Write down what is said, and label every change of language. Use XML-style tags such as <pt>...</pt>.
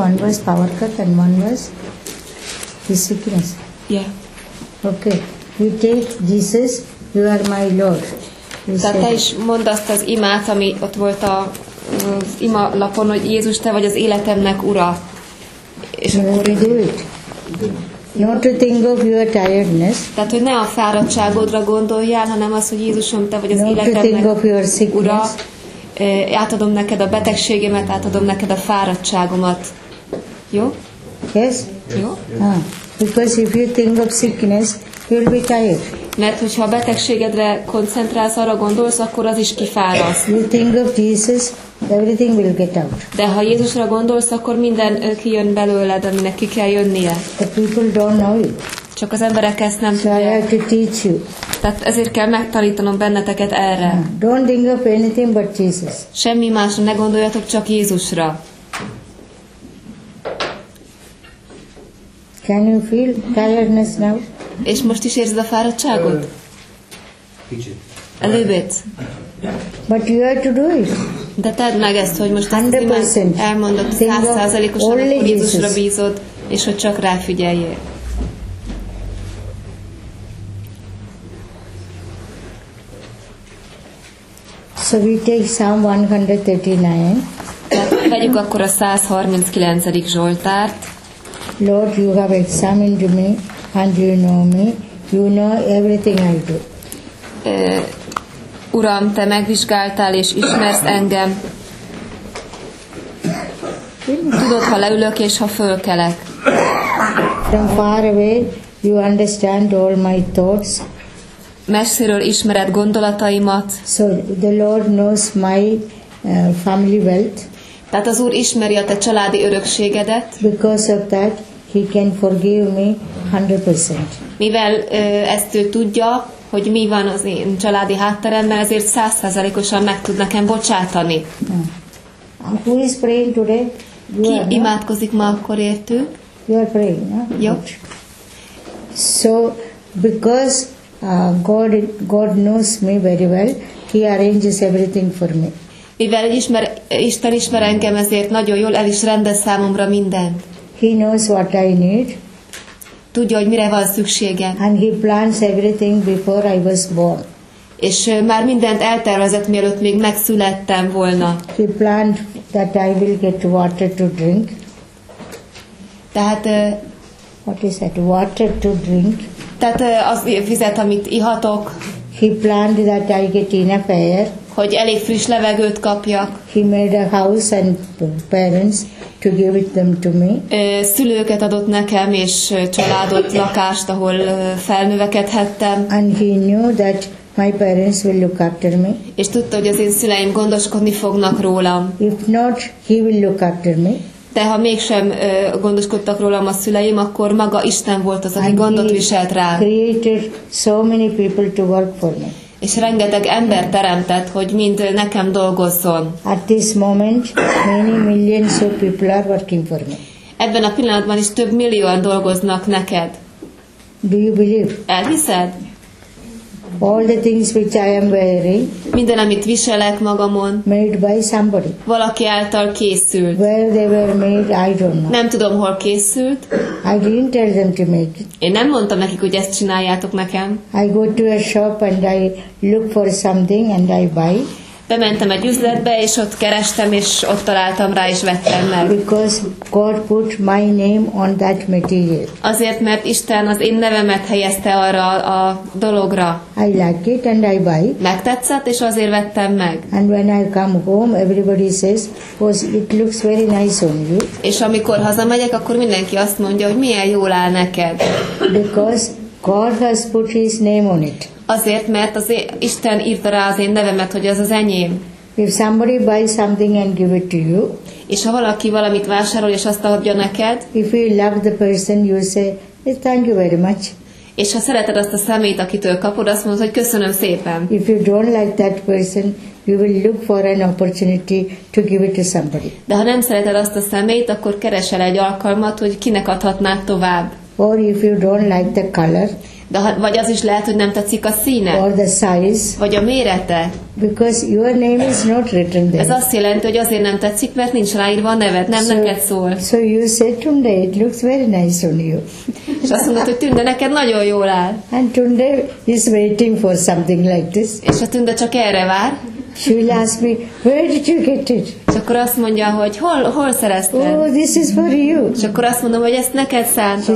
<en>One was power cut and one was sickness. Yeah. Okay. You take Jesus, you are my Lord.</en> <hu>Tehát te is mondd azt az imát, ami ott volt az ima lapon, hogy Jézus, te vagy az életemnek ura. És akkor</hu> <en>do it. Not to think of your tiredness.</en> <hu>Tehát, hogy ne a fáradtságodra gondoljál, hanem az, hogy Jézusom, te vagy az életemnek ura. Átadom neked a betegségemet, átadom neked a fáradtságomat. Jó?</hu> <en>Yes.</en> <hu>Jó?</hu> <en>Because if you think of sickness, you'll be tired.</en> <hu>Mert hogyha a betegségedre koncentrálsz, arra gondolsz, akkor az is kifáraszt.</hu> <en>You think of Jesus, everything will get out.</en> <hu>De ha Jézusra gondolsz, akkor minden kijön belőled, aminek ki kell jönnie.</hu> <en>The people don't know it.</en> <hu>Csak az emberek ezt nem tudják.</hu> <en>So I have to teach you.</en> <hu>Tehát ezért kell megtanítanom benneteket erre.</hu> <en>Don't think of anything but Jesus.</en> <hu>Semmi másra ne gondoljatok, csak Jézusra.</hu> <en>Can you feel tiredness now?</en> <hu>És most is érzed a fáradtságot? Kicsit.</hu> <en>A little bit. But you have to do it.</en> <hu>De tedd meg ezt, hogy most ezt az imád elmondod 100%-osan, hogy Jézusra bízod, és hogy csak rá figyeljél.</hu> <en>So we take Psalm 139.</en> <hu>Vegyük akkor a 139. Zsoltárt.</hu> <en>Lord, you have examined me and you know me. You know everything I do.</en> <hu>Uram, te megvizsgáltál és ismersz engem. Tudod, ha leülök és ha fölkelek.</hu> <en>From far away, you understand all my thoughts.</en> <hu>Messziről ismered gondolataimat.</hu> <en>So the Lord knows my family wealth.</en> <hu>Tehát az Úr ismeri a te családi örökségedet.</hu> <en>Because of that, he can forgive me 100%.</en> <hu>Mivel ezt ő tudja, hogy mi van az én családi hátteremmel, ezért 100%-osan meg tud nekem bocsátani.</hu> <en>Yeah. Who is praying today?</en> <hu>Ki imádkozik ma akkor értünk?</hu> <en>You are praying, yeah?</en> <hu>Jó.</hu> <en>So, because God knows me very well. He arranges everything for me.</en> <hu>Mivel Isten ismer engem, ezért nagyon jól el is rendez számomra mindent.</hu> <en>He knows what I need.</en> <hu>Tudja, hogy mire van szükségem.</hu> <en>And he plans everything before I was born.</en> <hu>És már mindent eltervezett, mielőtt még megszülettem volna.</hu> <en>He planned that I will get water to drink.</en> <hu>Tehát</hu> <en>what is that? Water to drink.</en> <hu>Tehát az vizet, amit ihatok.</hu> <en>He planned that I get enough air.</en> <hu>Hogy elég friss levegőt kapjak.</hu> <en>He made a house and parents to give it them to me.</en> <hu>Szülőket adott nekem, és családot, lakást, ahol felnövekedhettem.</hu> <en>And he knew that my parents will look after me.</en> <hu>És tudta, hogy az én szüleim gondoskodni fognak rólam.</hu> <en>If not, he will look after me.</en> <hu>De ha mégsem gondoskodtak rólam a szüleim, akkor maga Isten volt az, aki</hu> <en>and</en> <hu>gondot viselt rám.</hu> <en>Created so many people to work for me.</en> <hu>És rengeteg ember teremtett, hogy mind nekem dolgozzon.</hu> <en>At this moment, many millions of people are working for me.</en> <hu>Ebben a pillanatban is több millióan dolgoznak neked.</hu> <en>Do you believe?</en> <hu>Elhiszed?</hu> <en>All the things which I am wearing,</en> <hu>minden, amit viselek magamon,</hu> <en>made by somebody.</en> <hu>Valaki által készült.</hu> <en>Where they were made, I don't know.</en> <hu>Nem tudom, hol készült.</hu> <en>I didn't tell them to make it.</en> <hu>Én nem mondtam nekik, hogy ezt csináljátok nekem.</hu> <en>I go to a shop and I look for something and I buy.</en> <hu>Bementem egy üzletbe, és ott kerestem, és ott találtam rá, és vettem meg.</hu> <en>Because God put my name on that material.</en> <hu>Azért, mert Isten az én nevemet helyezte arra a dologra.</hu> <en>I like it and I buy.</en> <hu>Megtetszett, és azért vettem meg.</hu> <en>And when I come home, everybody says, oh, it looks very nice on you.</en> <hu>És amikor hazamegyek, akkor mindenki azt mondja, hogy milyen jól áll neked.</hu> <en>Because God has put his name on it.</en> <hu>Azért, mert az Isten írta rá az én nevemet, hogy az az enyém.</hu> <en>If somebody buys something and give it to you,</en> <hu>és ha valaki valamit vásárol és azt adja neked,</hu> <en>if you love the person, you say, yes, thank you very much.</en> <hu>És ha szereted azt a személyt, akitől kapod, azt mondod, hogy köszönöm szépen.</hu> <en>If you don't like that person, you will look for an opportunity to give it to somebody.</en> <hu>De ha nem szereted azt a személyt, akkor keresel egy alkalmat, hogy kinek adhatnád tovább.</hu> <en>Or if you don't like the color,</en> <hu>de ha, vagy az is lehet, hogy nem tetszik a színe,</hu> <en>or the size,</en> <hu>vagy a mérete.</hu> <en>Because your name is not written there.</en> <hu>Ez azt jelenti, hogy azért nem tetszik, mert nincs ráírva a neved, nem neked szól.</hu> <en>So you said, Tunde, it looks very nice on you.</en> <hu>És azt mondod, hogy Tunde, neked nagyon jól áll.</hu> <en>And Tunde is waiting for something like this.</en> <hu>És a Tunde csak erre vár.</hu> <en>She will ask me, where did you get it?</en> <hu>És akkor azt mondja, hogy hol szerezted?</hu> <en>Oh, this is for you.</en> <hu>És akkor azt mondom, hogy ezt neked szántam.</hu>